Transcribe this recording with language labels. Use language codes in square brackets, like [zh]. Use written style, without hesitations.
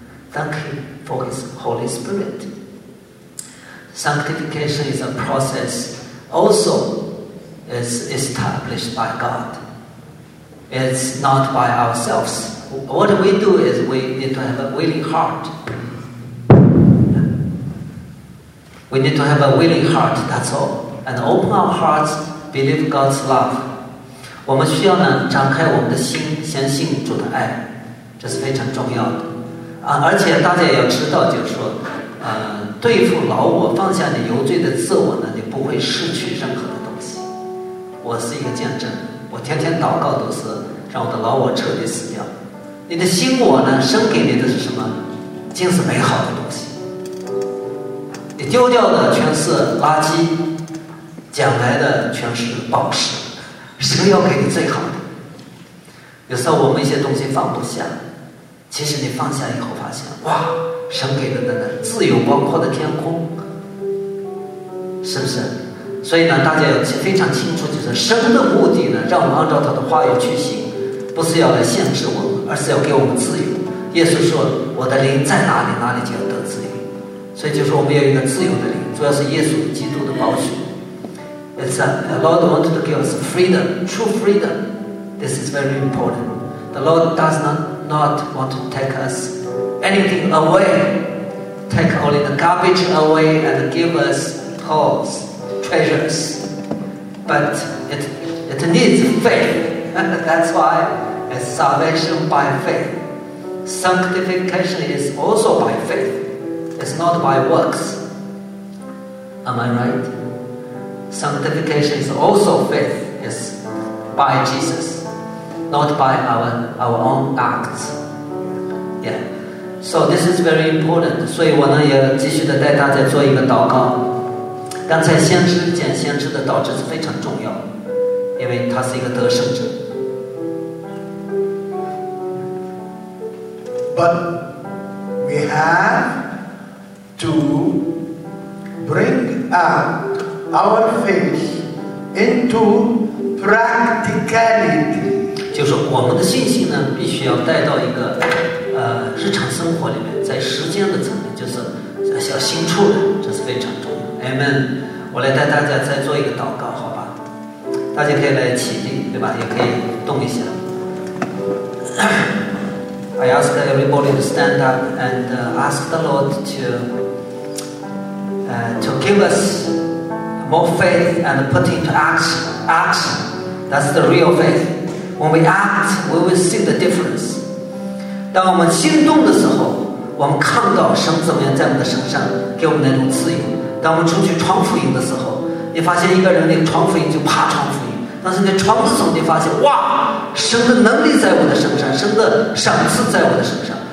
[en] Thank Him for His Holy Spirit. Sanctification is a process also is established by God. It's not by ourselves. What we do is we need to have a willing heart. We need to have a willing heart, that's all. And open our hearts, believe God's love. [zh] 我们需要呢张开我们的心，相信主的爱，这是非常重要的。而且大家也要知道，就是说，对付老我，放下你有罪的自我呢，你不会失去任何的东西。我是一个见证，我天天祷告都是让我的老我彻底死掉。你的新我呢，生给你的是什么？尽是美好的东西。你丢掉的全是垃圾，捡来的全是宝石。神要给你最好的。有时候我们一些东西放不下。其实你放下以后发现，哇，神给的那自由广阔的天空，是不是？所以呢，大家要非常清楚，就是神的目的呢，让我们按照他的话语去行，不是要来限制我们，而是要给我们自由。耶稣说，我的灵在哪里，哪里就要得自由。所以就是我们要一个自由的灵，主要是耶稣基督的宝血。 [en] It's a Lord wanted to give us freedom, true freedom. This is very important. The Lord does not want to take us anything away take only the garbage away and give us pearls, treasures. But it needs faith. That's why it's salvation by faith. Sanctification is also by faith. It's not by works. Am I right? Sanctification is also faith. It's by Jesus, not by our own acts. Yeah. So this is very important. [zh] 所以我呢也继续的带大家做一个祷告。刚才先知拣先知的道，这是非常重要，因为他是一个得胜者。 [en] But we have to bring out our faith into practicality. [zh] 就是我们的信心呢，必须要带到一个日常生活里面，在时间的层面，就是小心处的，这是非常重要。 [en] Amen. [zh] 我来带大家再做一个祷告，好吧？大家可以来起立，对吧？也可以动一下。 [en] I ask everybody to stand up and ask the Lord to give us more faith and put into action. That's the real faith. When we act, we will see the difference. [zh] 当我们心动的时候，我们看到神怎么样在我们的身上给我们那种自由。当我们出去传福音的时候，你发现一个人那个传福音就怕传福音，但是你传的时候你发现哇，神的能力在我的身上，神的赏赐在我的身上。